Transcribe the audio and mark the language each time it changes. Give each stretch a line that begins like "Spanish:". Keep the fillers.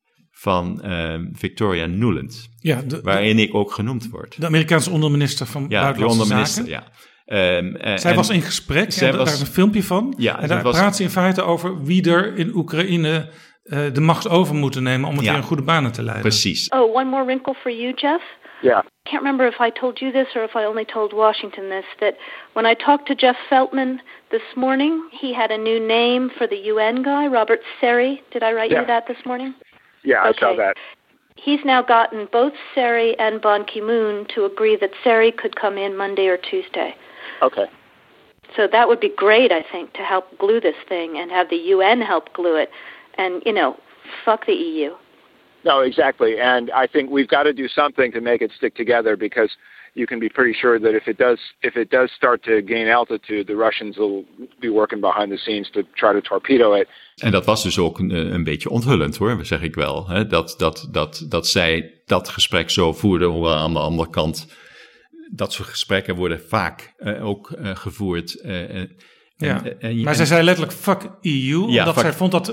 Dutch: Van uh, Victoria Nuland. Ja, de, waarin de, ik ook genoemd word. De Amerikaanse onderminister van Buitenlandse ja, de onderminister, Zaken. onderminister, ja. Um, uh, zij was in gesprek, zij daar is een filmpje van. Ja, en, en daar was, praat ze in feite over wie er in Oekraïne uh, de macht over moet nemen om het yeah. weer in goede banen te leiden. Precies.
English: Oh, one more wrinkle for you, Jeff. Yeah. I can't remember if I told you this or if I only told Washington this. That when I talked to Jeff Feltman this morning, he had a new name for the UN guy, Robert Seri. Did I write yeah. you that this morning? Yeah, okay. I saw that. He's now gotten both Seri and Ban Ki moon to agree that Seri could come in Monday or Tuesday. Okay. So that would be great, I think, to help glue this thing and have the UN help glue it. And, you know, fuck the EU. No, exactly. And I think we've got to do something to make it stick together because you can be pretty sure that if it does if it does start to gain altitude, the Russians will be working behind the scenes to try to torpedo it.
Dutch: En dat was dus ook een, een beetje onthullend hoor, zeg ik wel. Hè? Dat, dat, dat, dat zij dat gesprek zo voerden, hoewel aan de andere kant dat soort gesprekken worden vaak uh, ook uh, gevoerd. Uh, en, ja, en, maar en, zij zei letterlijk
English: fuck EU,
Dutch: ja, omdat fuck, zij vond dat